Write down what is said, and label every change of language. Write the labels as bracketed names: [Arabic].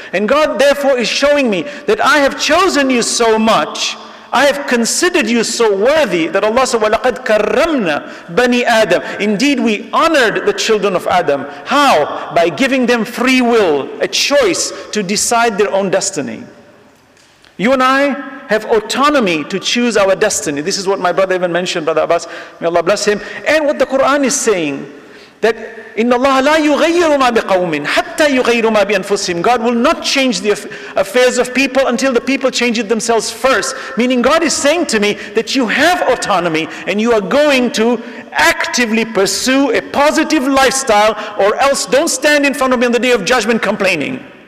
[English] And God therefore is showing me that I have chosen you so much, I have considered you so worthy, that Allah said, [Arabic] وَلَقَدْ كَرَّمْنَا بَنِي آدَمَ. [English] Indeed, we honored the children of Adam. How? By giving them free will, a choice to decide their own destiny. You and I have autonomy to choose our destiny. This is what my brother even mentioned, Brother Abbas. May Allah bless him. And what the Quran is saying, that [Arabic] إِنَّ اللَّهَ لَا يُغَيِّرُ مَا بِقَوْمٍ حَتَّى يُغَيِّرُ مَا بِأَنفُسِهِمْ. [English] God will not change the affairs of people until the people change it themselves first. Meaning God is saying to me that you have autonomy and you are going to actively pursue a positive lifestyle, or else don't stand in front of me on the day of judgment complaining.